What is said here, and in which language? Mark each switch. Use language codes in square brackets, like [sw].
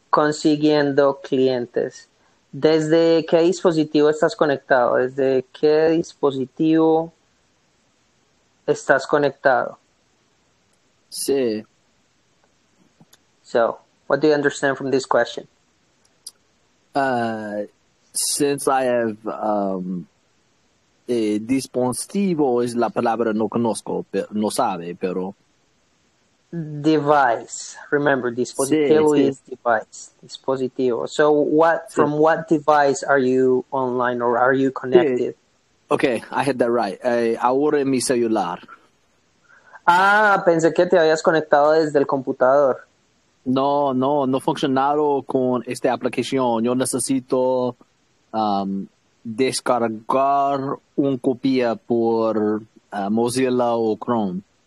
[es] consiguiendo clientes. ¿Desde qué dispositivo estás conectado? ¿Desde qué dispositivo estás conectado? Sí. [en] So, what do you understand from this question? Since I have [es] dispositivo es la palabra no conozco, pero no sabe, pero [en] Device. Remember, dispositivo [es] sí. [en] is device. Dispositivo. So what, [es] Sí. [en] from what device are you online or are you [es] Sí. [en] connected? Okay, I had that right. [es] Ahora en mi celular. Ah, pensé que te habías conectado desde el computador. No, no, no funcionado con esta aplicación. Yo necesito descargar una copia por Mozilla o Chrome.